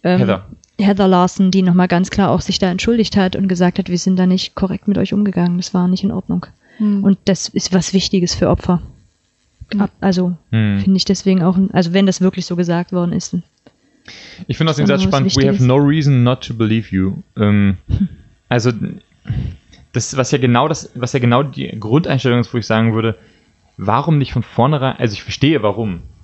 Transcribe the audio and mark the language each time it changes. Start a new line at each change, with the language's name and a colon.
German: Heather Larson, die nochmal ganz klar auch sich da entschuldigt hat und gesagt hat, wir sind da nicht korrekt mit euch umgegangen. Das war nicht in Ordnung. Und das ist was Wichtiges für Opfer. Finde ich deswegen auch, also wenn das wirklich so gesagt worden ist. Ich finde das den Satz spannend.
English: We have no reason not to believe you.
German: Also das, was ja genau die Grundeinstellung ist, wo ich sagen würde, warum nicht von vornherein, also ich verstehe warum.